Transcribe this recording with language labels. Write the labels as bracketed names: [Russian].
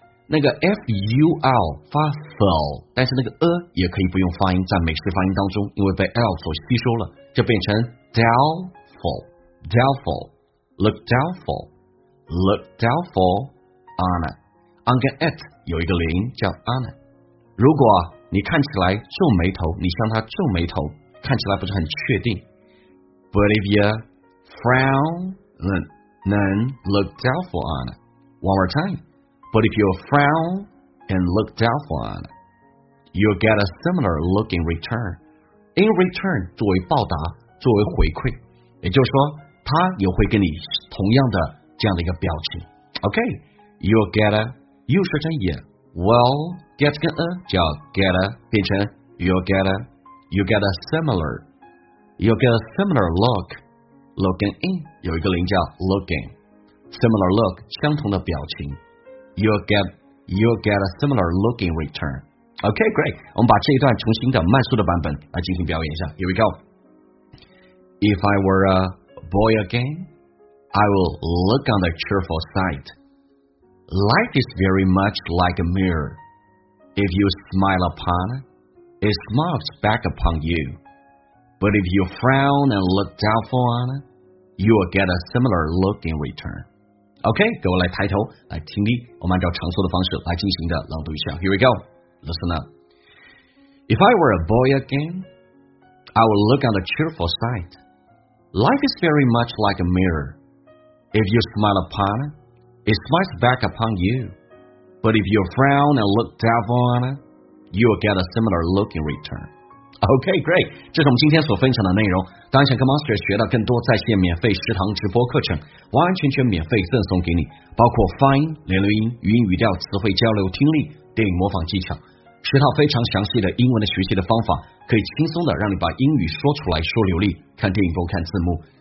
[Chinese] 那个 FUL 发 FUL， 但是那个 A 也可以不用发音，在美式发音当中，因为被 L 所吸收了，就变成 Doubtful on it， on 跟 it 有一个连音叫 on it， 如果你看起来皱眉头，你向他皱眉头，看起来不是很确定， [English] But if you frownThen look doubtful on it. One more time. But if you frown and look doubtful on it, you'll get a similar look in return. [Chinese] in return 作为报答，作为回馈，也就是说他也会跟你同样的这样的一个表情。 [English] OK, you'll get a, you 说成 yeah, well, get 跟 a 叫 get a, 变成 you'll get a, you get a similar, you'll get a similar look, look in, 有一个零叫 look in, similar look, 相同的表情。 You'll get a similar look in return. OK, great, [Chinese] 我们把这一段重新的慢速的版本来进行表演一下。 [English] Here we go. If I were a boy again, I will look on the cheerful side. Life is very much like a mirror. If you smile upon it, it smiles back upon you. But if you frown and look doubtful on it, you will get a similar look in return. OK, [Chinese] 各位来抬头来听力，我们按照常说的方式来进行的朗读一下。 [English] Here we go, listen up. If I were a boy again, I will look on the cheerful side. Life is very much like a mirror. If you smile upon it, it smiles back upon you. But if you frown and look doubtful on it, you will get a similar look in return. OK, great. [Chinese] 这是我们今天所分享的内容。当然想跟 Monster 学到更多在线免费食堂直播课程，完全全免费赠送给你，包括发音、连录音、语音语调、词汇交流、听力、电影模仿技巧，十套非常详细的英文的学习的方法，可以轻松的让你把英语说出来说流利，看电影不看字幕。